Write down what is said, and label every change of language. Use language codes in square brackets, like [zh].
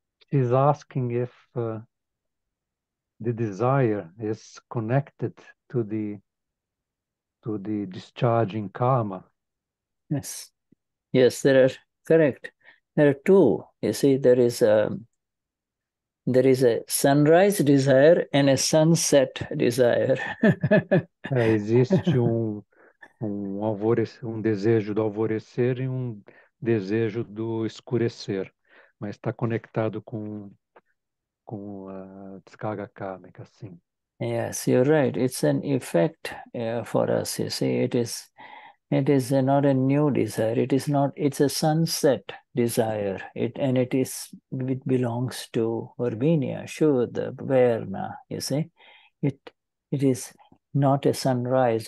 [en] She's asking if the desire is connected to the discharging karma. Yes, there are correct. There are two. You see, there is a sunrise desire and a sunset desire. [pt] É, existe um alvorecer, um desejo do alvorecer e um desejo do escurecer, mas está conectado com a descarga kármica, sim. [en] Yes, you're right. It's an effect for us. You see, it is not a new desire. It is not. It's a sunset desire. It belongs to Verbenia, Shuddha, Verna. You see, it is not a sunrise.